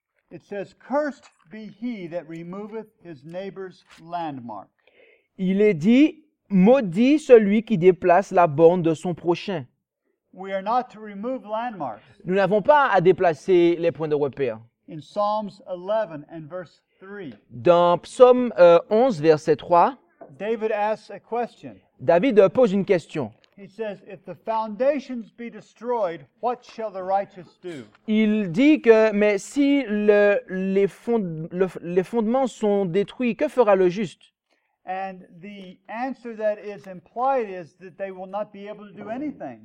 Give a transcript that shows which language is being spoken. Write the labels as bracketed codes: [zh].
[en] It says, "Cursed be he that removeth his neighbor's landmark." [fr] Il est dit, maudit celui qui déplace la borne de son prochain. [en] We are not to remove landmarks. [fr] Nous n'avons pas à déplacer les points de repère. [en] In Psalms 11 and verse 3. [fr] Dans Psaume 11 verset 3. [en] David asks a question. [fr] David pose une question. [en] He says, "If the foundations be destroyed, what shall the righteous do?" [fr] Il dit que, mais si les fondements sont détruits, que fera le juste? [en] And the answer that is implied is that they will not be able to do anything.